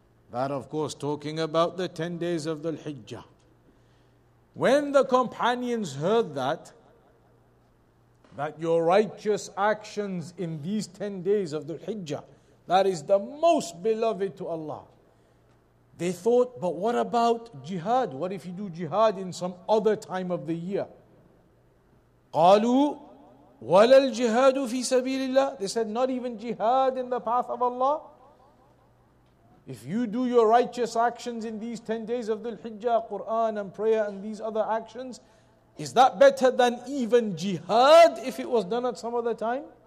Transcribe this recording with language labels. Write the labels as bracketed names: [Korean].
[English] That, of course, talking about the 10 days of Dhul Hijjah. When the companions heard that your righteous actions in these 10 days of Dhul Hijjah, that is the most beloved to Allah, they thought, but what about jihad? What if you do jihad in some other time of the year? [Arabic] قالوا ولا الجهاد في سبيل الله. [English] They said, not even jihad in the path of Allah? If you do your righteous actions in these 10 days of Dhul Hijjah, Quran and prayer and these other actions, is that better than even jihad if it was done at some other time?